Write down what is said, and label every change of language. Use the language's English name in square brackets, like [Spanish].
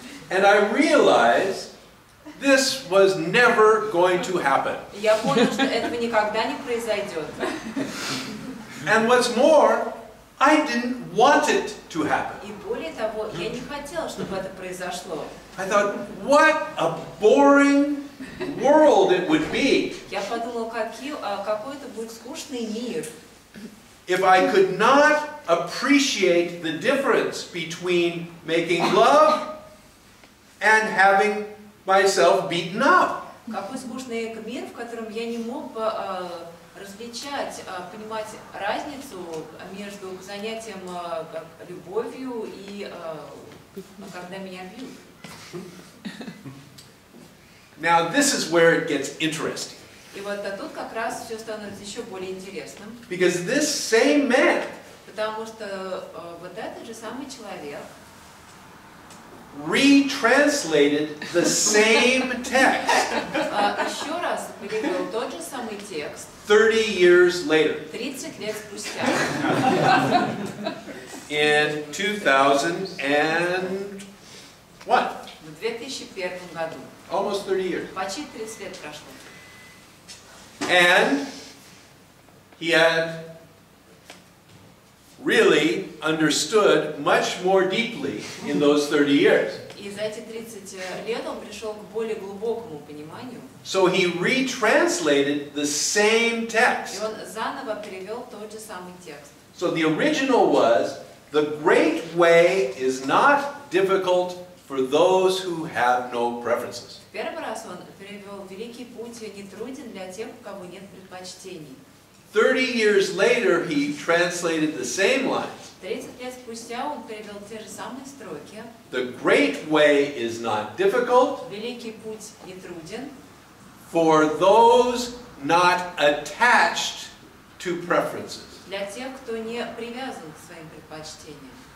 [English] And I realized this was never going to happen. [Russian] Я понял, что этого никогда не произойдет. [English] And what's more, I didn't want it to happen. [Russian] И более того, я не хотел, чтобы это произошло. [English] I thought, what a boring world it would be. [Russian] Я подумал, какой это будет скучный мир. [English] If I could not appreciate the difference between making love and having myself beaten up. [Russian] какой скучный мир, в котором я не мог бы различать, понимать разницу между занятием любовью и когда меня бьют. [English] Now this is where it gets interesting. [Russian] И вот тут как раз все становится еще более интересным. [English] Because this same man. [Russian] Потому что вот этот же самый человек. [English] Retranslated the same text. [Russian] Еще раз перевел тот же самый текст. [English] 30 years later. [Russian] 30 лет спустя. [English] In 2001. [Russian] В 2001 году. [English] Almost 30 years. [Russian] Почти 30 лет прошло. [English] And he had really understood much more deeply in those 30 years. [Russian] И за эти 30 лет он пришел к более глубокому пониманию. [English] So he retranslated the same text. [Russian] И он заново перевел тот же самый текст. [English] So the original was, the great way is not difficult for those who have no preferences. [Russian] В первый раз он перевел «Великий путь не труден для тех, у кого нет предпочтений». [English] 30 years later, he translated the same lines. [Russian] 30 лет спустя он перевел те же самые строки. [English] The great way is not difficult. [Russian] Великий путь не труден. [English] For those not attached to preferences. [Russian] Для тех, кто не привязан к своим предпочтениям.